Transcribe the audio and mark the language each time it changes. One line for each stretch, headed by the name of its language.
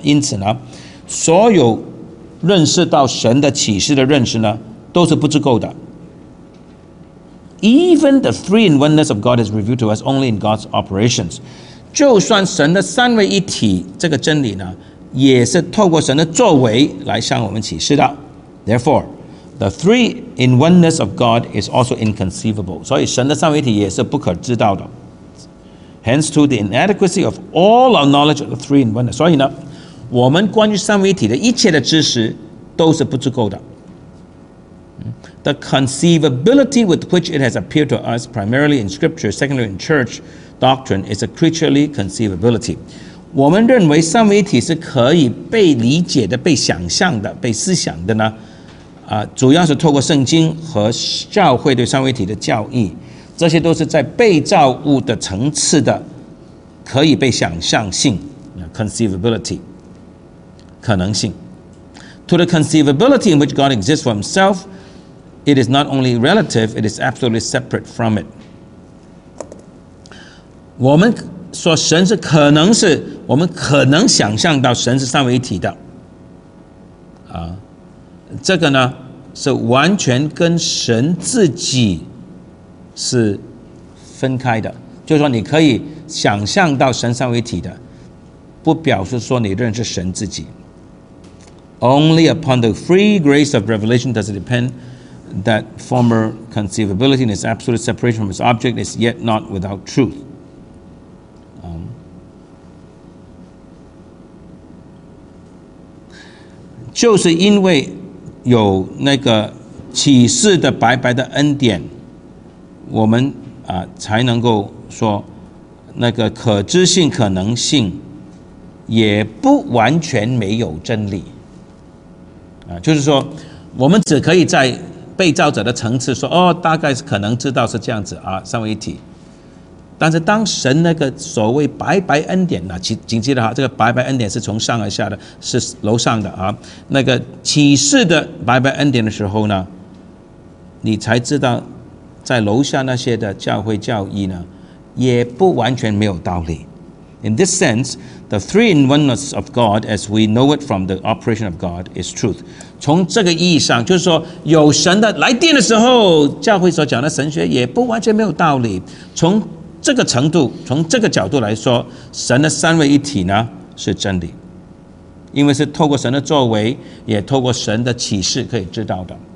Chinese: 因此呢，所有认识到神的启示的认识呢，都是不足够的。
English: Even the three in oneness of God is revealed to us only in God's operations。
Chinese: 就算神的三位一体这个真理呢，也是透过神的作为来向我们启示的。
English: Therefore, the three in oneness of God is also inconceivable。
Chinese: 所以神的三位一体也是不可知道的。
English: Hence, to the inadequacy of all our knowledge of the three in oneness。
Chinese: 所以呢，我们关于三位一体的一切的知识都是不足够的。
English: The conceivability with which it has appeared to us, primarily in scripture, secondly in church doctrine, is a creaturely conceivability。
Chinese: 我们认为三位一体是可以被理解的，被想象的，被思想的呢，主要是透过圣经和教会对三位一体的教义，这些都是在被造物的层次的，可以被想象性 conceivability 可能性。
English: To the conceivability in which God exists for himselfIt is not only relative, it is absolutely separate from it。
Chinese: 我们说神是可能是，我们可能想象到神是三位一体的，这个呢是完全跟神自己是分开的，就是说你可以想象到神三位一体的，不表示说你认识神自己。
English: Only upon the free grace of revelation does it dependthat former conceivability and its absolute separation from its object is yet not without truth。
Chinese: 就是因为有那个启示的白白的恩典，我们才能够说那个可知性可能性也不完全没有真理，就是说我们只可以在被造者的层次说，大概是可能知道是这样子啊，三位一体。但是当神那个所谓白白恩典呢，谨记得哈，这个白白恩典是从上而下的，是楼上的啊。那个启示的白白恩典的时候呢，你才知道，在楼下那些的教会教义呢，也不完全没有道理。
English: In this sense, the three in oneness of God, as we know it from the operation of God, is truth。
Chinese: 从这个意义上，就是说有神的来电的时候，教会所讲的神学也不完全没有道理。从这个程度，从这个角度来说，神的三位一体呢是真理，因为是透过神的作为，也透过神的启示可以知道的。